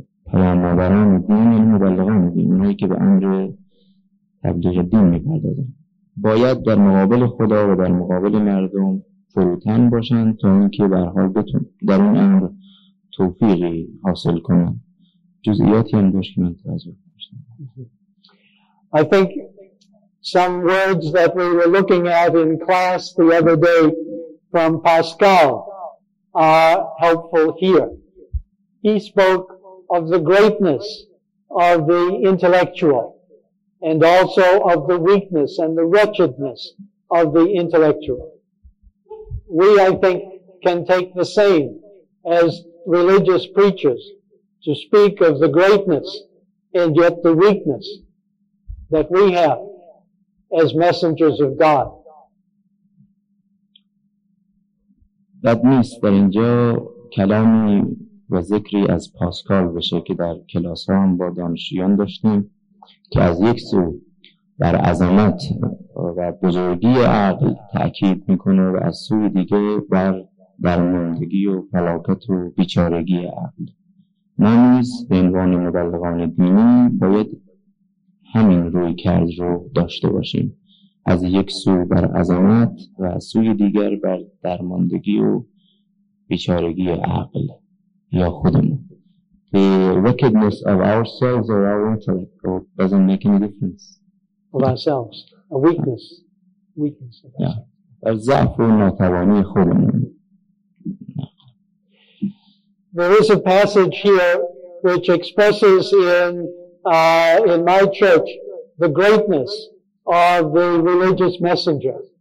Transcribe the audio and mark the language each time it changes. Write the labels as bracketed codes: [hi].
[fa] پیام‌آوران دین یعنی مبلغان دین، اونایی که به امر تبلیغ دین می‌پردازن. باید در مقابل خدا و در مقابل مردم فروتن باشن تا اینکه به هر حال بتون در اون امر توفیقی حاصل کنن. جزئیاتی هم داشت که من توجه داشتم. [en] I think some words that we were looking at in class the other day from Pascal are helpful here. He spoke of the greatness of the intellectual and also of the weakness and the wretchedness of the intellectual. We, I think, can take the same as religious preachers to speak of the greatness and yet the weakness that we have as messengers of God. [fa] بد نیست در اینجا کلامی و ذکری از پاسکال بشه که در کلاس ها هم با دانشجویان داشتیم، که از یک سو بر عظمت و بزرگی عقل تأکید میکنه و از سوی دیگه بر درماندگی و فلاکت و بیچارگی عقل. ما نیز به عنوان مبلغان دینی باید همین روی کرد رو داشته باشیم، از یک سو بر عظمت و از سوی دیگر بر درماندگی و بیچارگی عقل یا خودمون. [en] The wickedness of ourselves or our intellect doesn't make any difference. Of ourselves, a weakness. Weakness of ourselves. [fa] Yeah. ضعف و ناتوانی خودمون. [en] There is a passage here which expresses in my church the greatness of the religious messenger.